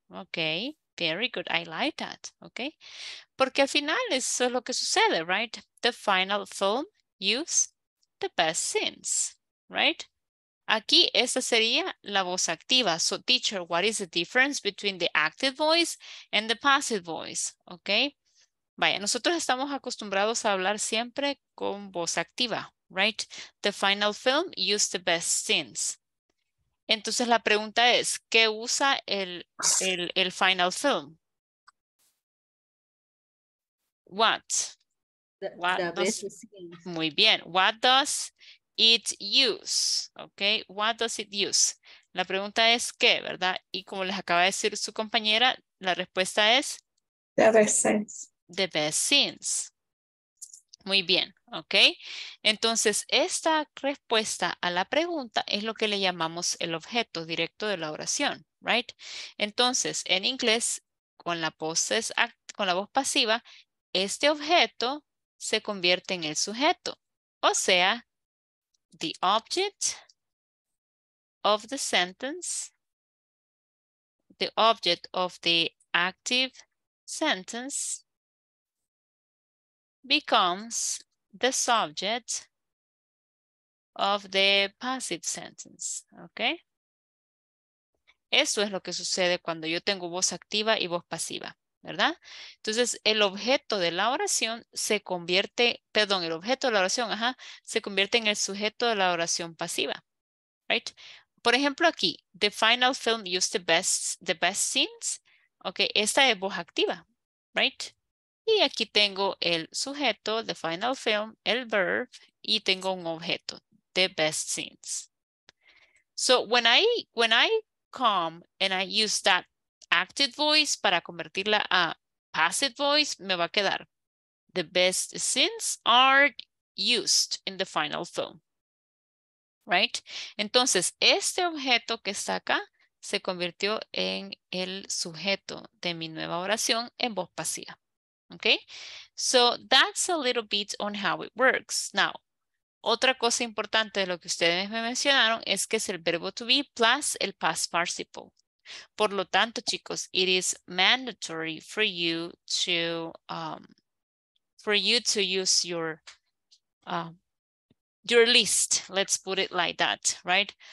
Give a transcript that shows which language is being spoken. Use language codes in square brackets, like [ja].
[en] Okay, very good. I like that. Okay, porque al final es lo que sucede, right? The final film used the best scenes, right? Aquí esa sería la voz activa. So, teacher, what is the difference between the active voice and the passive voice? Okay, vaya, nosotros estamos acostumbrados a hablar siempre con voz activa. Right? The final film used the best scenes. Entonces la pregunta es, ¿qué usa el final film? What? The best scenes. Muy bien. What does it use? Okay. [es] What does it use? La pregunta es ¿qué? ¿Verdad? Y como les acaba de decir su compañera, la respuesta es [en] the best scenes. The best scenes. Muy bien, ¿ok? [es] Entonces, esta respuesta a la pregunta es lo que le llamamos el objeto directo de la oración, ¿right? Entonces, en inglés, con la voz pasiva, este objeto se convierte en el sujeto. [en] O sea, the object of the sentence, the object of the active sentence, becomes the subject of the passive sentence, okay? [es] Eso es lo que sucede cuando yo tengo voz activa y voz pasiva, ¿verdad? Entonces, el objeto de la oración se convierte, perdón, el objeto de la oración, ajá, se convierte en el sujeto de la oración pasiva, right? [en] Por ejemplo, aquí, the final film used the best scenes, okay, esta es voz activa, right? Y aquí tengo el sujeto, the final film, el verb, y tengo un objeto, the best scenes. So when I come and I use that [es] active voice para convertirla a passive voice, me va a quedar. [en] The best scenes are used in the final film. Right? [es] Entonces, este objeto que está acá se convirtió en el sujeto de mi nueva oración en voz pasiva. [en] Okay? [es] So that's a little bit on how it works. Now, otra cosa importante de lo que ustedes me mencionaron es que es el verbo to be plus el past participle. [en] Por lo tanto, chicos, it is mandatory for you to use your list, let's put it like that, right?